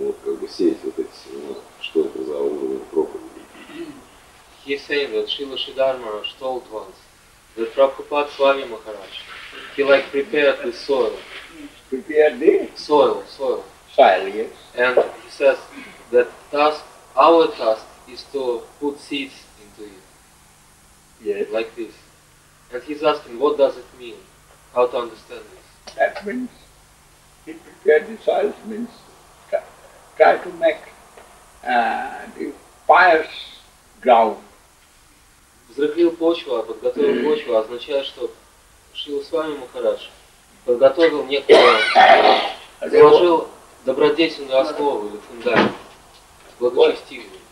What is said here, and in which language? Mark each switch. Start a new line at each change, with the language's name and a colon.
Russian: Вот как бы сеять вот эти семена, что это за уровень проповеди.
English: He said that Srila Siddharma told once that Prabhupada Swami Maharaj, he like prepared the soil. Prepared the? Soil. Soil, yes. And he says that our task is to put seeds. Yes. Like this. And he's asking, what does it mean? How to understand this? That means, he prepared the soil, means try to make the pious ground.
Russian: Взрыхлил почву, а подготовил почву означает, что Шрила Свами Махарадж подготовил некую, заложил добродетельную основу или фундамент, благочестивую.